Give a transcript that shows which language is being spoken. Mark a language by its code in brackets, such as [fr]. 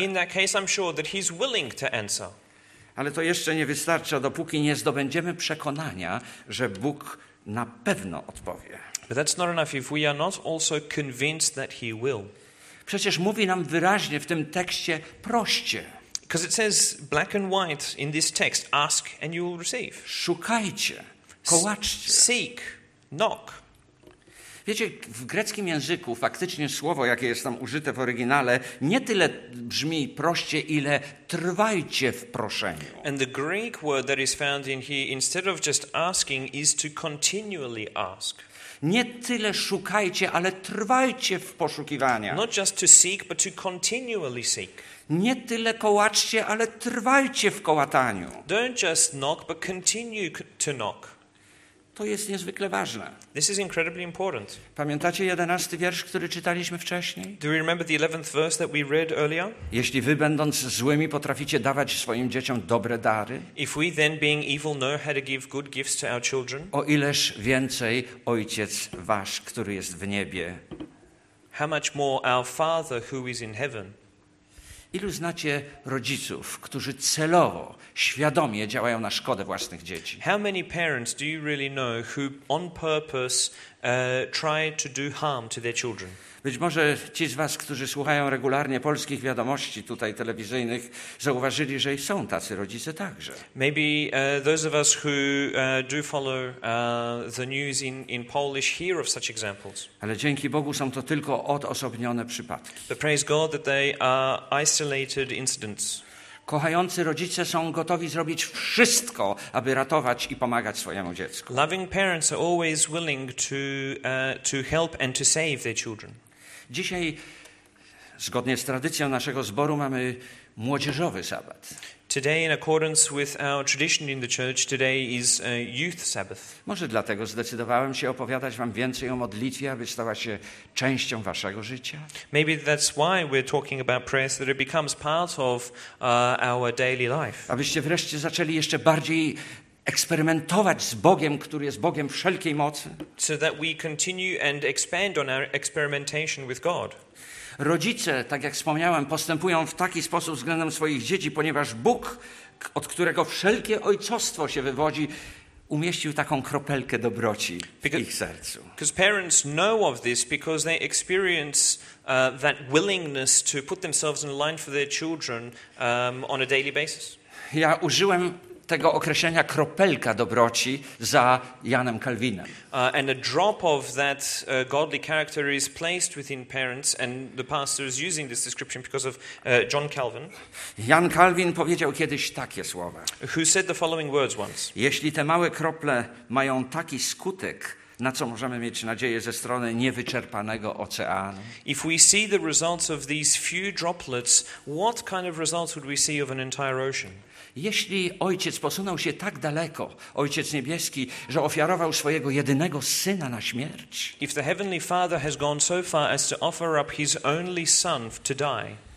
[en] In that case I'm sure that he's willing to answer. [pl] Ale to jeszcze nie wystarcza, dopóki nie zdobędziemy przekonania, że Bóg na pewno odpowie. [en] But that's not enough if we are not also convinced that he will. [pl] Przecież mówi nam wyraźnie w tym tekście, proście. [en] Because it says black and white in this text, ask and you will receive. [pl] Szukajcie, kołaczcie. [en] Seek, knock. [pl] Wiecie, w greckim języku faktycznie słowo, jakie jest tam użyte w oryginale, nie tyle brzmi proście, ile trwajcie w proszeniu. [en] And the Greek word that is found in here, instead of just asking, is to continually ask. [pl] Nie tyle szukajcie, ale trwajcie w poszukiwaniach. [en] Not just to seek, but to continually seek. [pl] Nie tyle kołaczcie, ale trwajcie w kołataniu. [en] Don't just knock, but continue to knock. [pl] To jest niezwykle ważne. [en] This is incredibly important. [pl] Pamiętacie 11 wiersz, który czytaliśmy wcześniej? [en] Do you remember the 11th verse that we read earlier? [pl] Jeśli wy, będąc złymi, potraficie dawać swoim dzieciom dobre dary, [en] if we then, being evil, know how to give good gifts to our children, [pl] o ileż więcej Ojciec wasz, który jest w niebie. [en] How much more our Father who is in heaven. [pl] Ilu znacie rodziców, którzy celowo, świadomie działają na szkodę własnych dzieci? [en] How many parents do you really know who on purpose try to do harm to their children? [pl] Być może ci z was, którzy słuchają regularnie polskich wiadomości tutaj telewizyjnych, zauważyli, że są tacy rodzice także. [en] Maybe those of us who do follow the news in Polish hear of such examples. [pl] Ale dzięki Bogu są to tylko odosobnione przypadki. [en] But praise God that they are isolated incidents. [pl] Kochający rodzice są gotowi zrobić wszystko, aby ratować i pomagać swojemu dziecku. [en] Loving parents are always willing to help and to save their children. [pl] Dzisiaj, zgodnie z tradycją naszego zboru, mamy młodzieżowy sabbat. [en] Today, in accordance with our tradition in the church, today is a youth sabbath. [pl] Może dlatego zdecydowałem się opowiadać wam więcej o modlitwie, aby stała się częścią waszego życia. [en] Maybe that's why we're talking about prayer, so that it becomes part of our daily life. [pl] Abyście wreszcie zaczęli jeszcze bardziej eksperymentować z Bogiem, który jest Bogiem wszelkiej mocy. [en] So that we continue and expand on our experimentation with God. [pl] Rodzice, tak jak wspomniałem, postępują w taki sposób względem swoich dzieci, ponieważ Bóg, od którego wszelkie ojcostwo się wywodzi, umieścił taką kropelkę dobroci w ich sercu. [en] Because parents know of this because they experience that willingness to put themselves in line for their children on a daily basis. [pl] Ja użyłem tego określenia kropelka dobroci za Janem Kalwinem. [en] And a drop of that godly character is placed within parents, and the pastor is using this description because of John Calvin. [pl] Jan Kalwin powiedział kiedyś takie słowa. [en] Who said the following words once? [pl] Jeśli te małe krople mają taki skutek, na co możemy mieć nadzieję ze strony niewyczerpanego oceanu? [en] If we see the results of these few droplets, what kind of results would we see of an entire ocean? [pl] Jeśli Ojciec posunął się tak daleko, Ojciec Niebieski, że ofiarował swojego jedynego Syna na śmierć, [en] if the Heavenly Father has gone so far as to offer up his only Son to die,